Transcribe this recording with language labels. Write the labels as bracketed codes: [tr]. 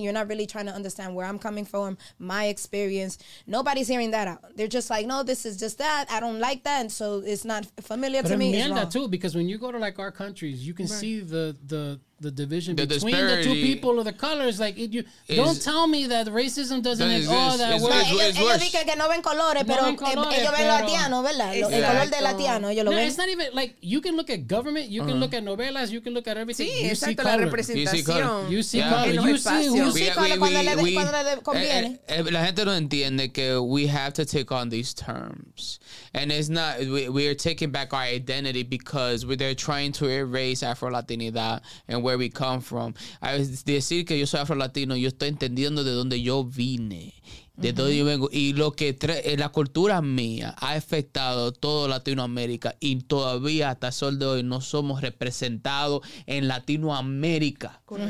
[en] You're not really trying to understand where I'm coming from, my experience. Nobody's hearing that out. They're just like, no, this is just that. I don't like that. And so it's not familiar to me. But Amanda, too, because when you go to like our countries, you can see the division between the two people of the colors. Like, don't tell me that racism doesn't exist. Oh, that it's worse. [es] Ellos dicen que no ven colores, pero ellos ven latino, ¿verdad? El color de latino, ellos lo ven. [en] It's not even, like, you can look at government, you can look at novelas, you can look at everything. [es] Sí, exacto, la representación. [en] You see color. You see color. You see color [es] cuando le conviene. La gente no entiende que [en] we have to take on these terms. And it's not, we are taking back our identity because they're trying to erase Afro-Latinidad and where we come from. I was [es] decir que yo soy Afro-Latino, yo estoy entendiendo de donde yo vine, de donde yo vengo. Y lo que la cultura mía ha afectado todo Latinoamérica y todavía hasta el sol de hoy no somos representados en Latinoamérica.